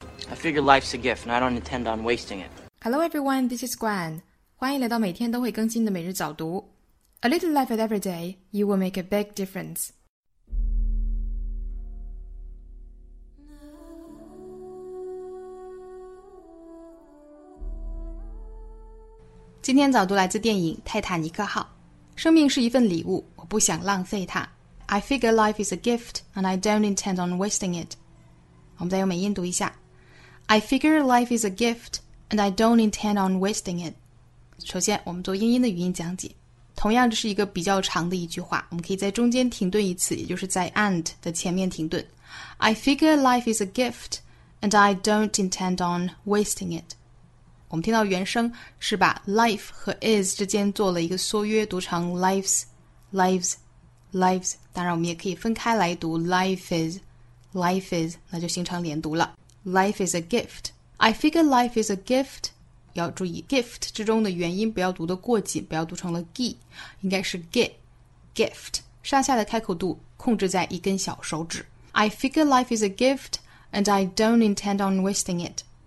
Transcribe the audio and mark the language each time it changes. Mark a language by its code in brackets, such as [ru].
[en] I figure life's a gift, and I don't intend on wasting it. Hello, everyone. This is Gwen. [zh] 欢迎来到每天都会更新的每日早读。 [en] A little life every day, you will make a big difference. Today, [zh] 今天早读来自电影《泰坦尼克号》。生命是一份礼物，我不想浪费它。 [en] I figure life is a gift, and I don't intend on wasting it. [zh] 我们再用美音读一下。 [en] I figure life is a gift, and I don't intend on wasting it. [zh] 首先，我们做英音的语音讲解。同样，这是一个比较长的一句话，我们可以在中间停顿一次，也就是在 and 的前面停顿。 [en] I figure life is a gift, and I don't intend on wasting it. [zh] 我们听到原声是把 life 和 is 之间做了一个缩约，读成 lives, lives, lives。当然，我们也可以分开来读 life is, life is， 那就形成连读了。 [en] Life is a gift. I figure life is a gift. [zh] 要注意 gift 之中的元音不要读得过紧，不要读成了 gi， 应该是 gi, gift。上下的开口度控制在一根小手指。 [en] I figure life is a gift, and I don't intend on wasting it.